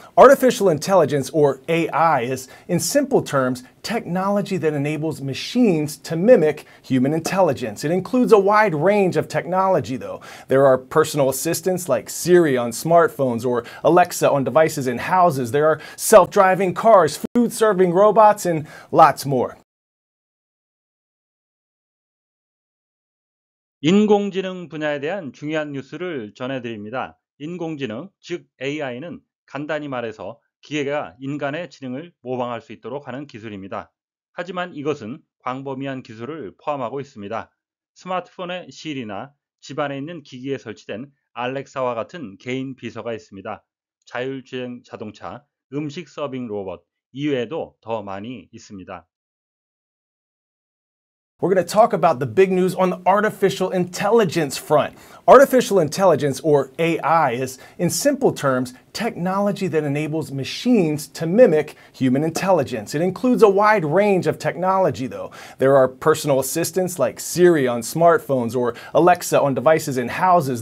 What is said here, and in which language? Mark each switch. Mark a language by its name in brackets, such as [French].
[English] Artificial intelligence, or AI, is, in simple terms, technology that enables machines to mimic human intelligence. It includes a wide range of technology, though. There are personal assistants like Siri on smartphones or Alexa on devices in houses. There are self-driving cars, food-serving robots, and lots more. [Korean] 인공지능 분야에 대한 중요한 뉴스를 전해드립니다. 인공지능, 즉 AI는 간단히 말해서 기계가 인간의 지능을 모방할 수 있도록 하는 기술입니다. 하지만 이것은 광범위한 기술을 포함하고 있습니다. 스마트폰의 Siri나 집안에 있는 기기에 설치된 알렉사와 같은 개인 비서가 있습니다. 자율주행 자동차, 음식 서빙 로봇 이외에도 더 많이 있습니다. [English] We're going to talk about the big news on the artificial intelligence front. Artificial intelligence, or AI, is, in simple terms, technology that enables machines to mimic human intelligence. It includes a wide range of technology, though. There are personal assistants like Siri on smartphones or Alexa on devices in houses.